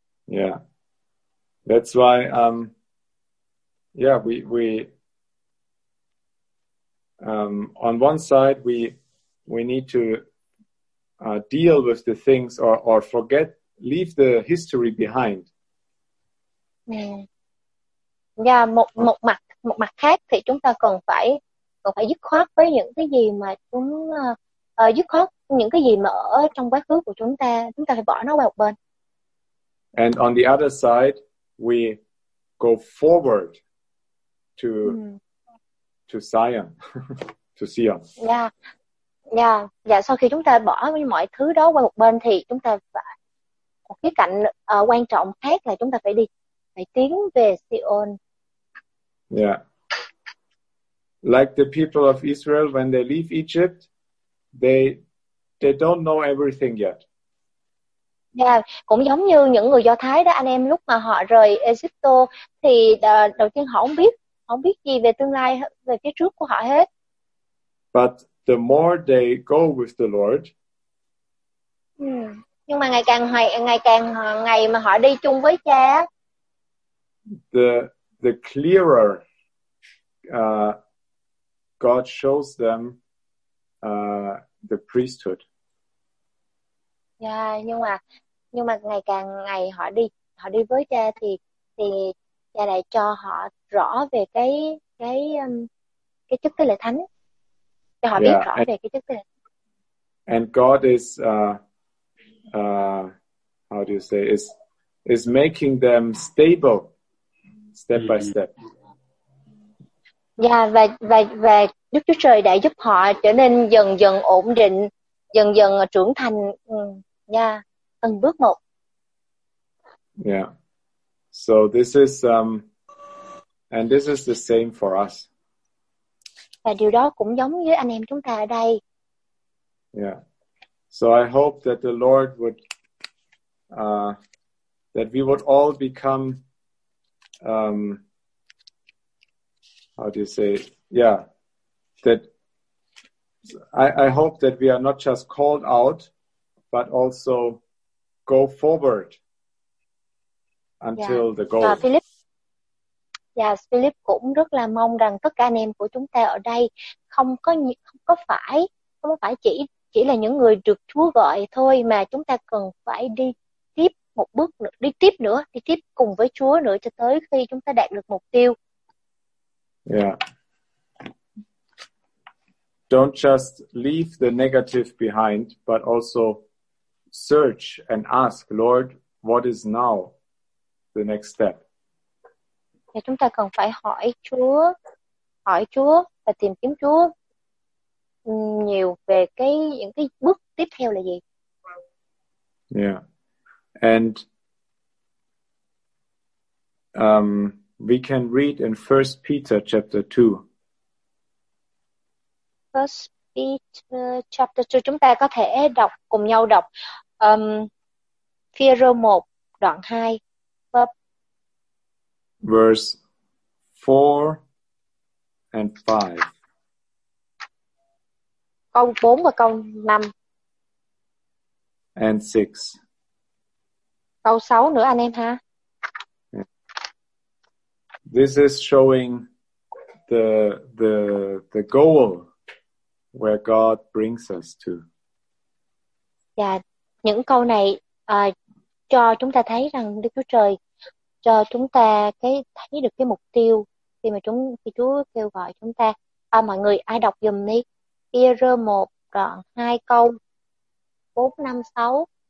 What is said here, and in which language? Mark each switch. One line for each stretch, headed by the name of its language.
English: Yeah, that's why we on one side we need to deal with the things or forget, leave the history behind.
Vietnamese: Yeah, một mặt khác thì chúng ta cần phải dứt khoát với những cái gì mà dứt khoát những cái gì mà ở trong quá khứ của chúng ta phải bỏ nó qua một bên.
English: And on the other side, we go forward to to Sion.
Vietnamese: Yeah, sau khi chúng ta bỏ mọi thứ đó qua một bên thì chúng ta phải một cái cạnh quan trọng khác là chúng ta phải tiến về Sion. Yeah.
English: Like the people of Israel, when they leave Egypt, they don't know everything yet.
Vietnamese: Yeah, cũng giống như những người Do Thái đó, anh em, lúc mà họ rời Egypto thì đầu tiên họ không biết gì về tương lai, về phía trước của họ hết.
English: But the more they go with the Lord.
Vietnamese: Nhưng mà ngày mà họ đi chung với Cha,
English: the clearer God shows them the priesthood.
Vietnamese: Yeah, nhưng mà ngày càng ngày họ đi với Cha thì Cha lại cho họ rõ về cái chức tế lễ thánh. Cho họ biết rõ về cái chức tế lễ.
English: And God is how do you say is making them stable step by step.
Vietnamese: Yeah, và Đức Chúa Trời đã giúp họ trở nên dần dần ổn định, dần dần trưởng thành, từng bước một. Yeah.
English: So this is and this is the same for us.
Vietnamese: Và điều đó cũng giống với anh em chúng ta ở đây. Yeah.
English: So I hope that the Lord would that we would all become how do you say it? Yeah, that I hope that we are not just called out but also go forward until the goal.
Vietnamese: Yes, Philip cũng rất là mong rằng tất cả anh em của chúng ta ở đây không phải chỉ là những người được Chúa gọi thôi, mà chúng ta cần phải đi tiếp một bước nữa, đi tiếp nữa, đi tiếp cùng với Chúa nữa cho tới khi chúng ta đạt được mục tiêu. Yeah.
English: Don't just leave the negative behind, but also search and ask, Lord, what is now the next step?
Vietnamese: Thì chúng ta cần phải hỏi Chúa và tìm kiếm Chúa nhiều về những cái bước tiếp theo là gì.
English: Yeah. And we can read in 1 Peter chapter 2. 1 Peter chapter 2,
Vietnamese: chúng ta có thể đọc cùng nhau đọc Phi-e-rơ 1 đoạn 2.
English: Verse 4 and 5.
Vietnamese: Câu 4 và câu 5.
English: And 6.
Vietnamese: Câu 6 nữa anh em ha.
English: This is showing the goal where God brings us to.
Vietnamese: Yeah, những câu này cho chúng ta thấy rằng Đức Chúa Trời cho chúng ta thấy được cái mục tiêu khi mà Chúa kêu gọi chúng ta. À, mọi người ai đọc giùm đi. Phi-e-rơ 1 đoạn 2 câu 4 5 6.